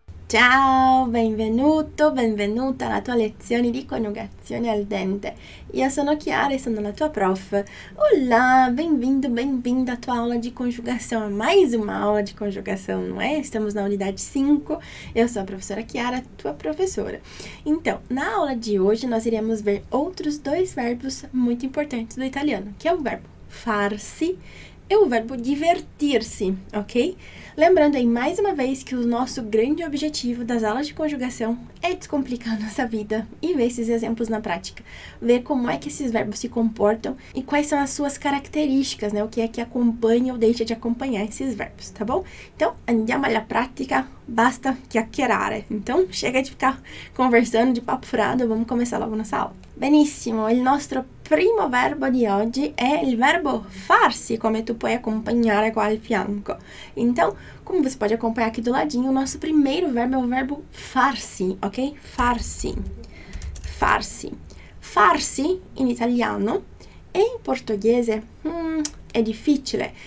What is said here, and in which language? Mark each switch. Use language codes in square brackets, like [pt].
[it] Ciao, benvenuto, benvenuta alla tua lezione di coniugazione al dente. Io sono Chiara e sono la tua prof. [pt] Olá, bem-vindo, bem-vinda à tua aula de conjugação. Mais uma aula de conjugação, não é? Estamos na unidade 5. Eu sou a professora Chiara, tua professora. Então, na aula de hoje nós iremos ver outros dois verbos muito importantes do italiano, que é o verbo farsi. É o verbo divertir-se, ok? Lembrando aí mais uma vez que o nosso grande objetivo das aulas de conjugação é descomplicar nossa vida e ver esses exemplos na prática. Ver como é que esses verbos se comportam e quais são as suas características, né? O que é que acompanha ou deixa de acompanhar esses verbos, tá bom? Então, [it] andiamo alla pratica, basta chiacchierare. [pt] Então, chega de ficar conversando de papo furado, vamos começar logo nossa aula. [it] Benissimo, il nostro primo verbo di oggi è il verbo farsi, come tu puoi accompagnare qua al fianco. [pt] Então, come você pode acompanhar aqui do ladinho, o nosso primeiro verbo è o verbo farsi, ok? [it] Farsi. Farsi. Farsi in italiano e in portoghese è difficile.